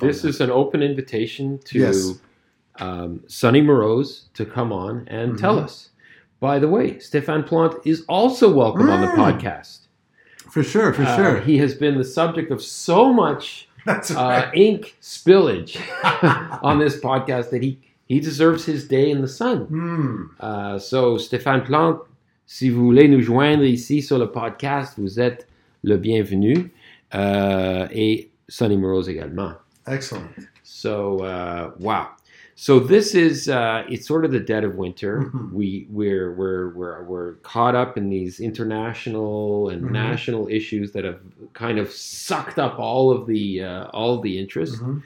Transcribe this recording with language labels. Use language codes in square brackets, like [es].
[en] This is an open invitation to Sonny Moroz to come on and tell us. By the way, Stéphane Plante is also welcome on the podcast. For sure, for sure. He has been the subject of so much ink spillage on this podcast that he deserves his day in the sun. [fr] So Stéphane Plante, si vous voulez nous joindre ici sur le podcast, vous êtes le bienvenu, et Sonny Moroz également. [en] Excellent. So, wow. So this is it's sort of the dead of winter. We're caught up in these international and national issues that have kind of sucked up all of the interest.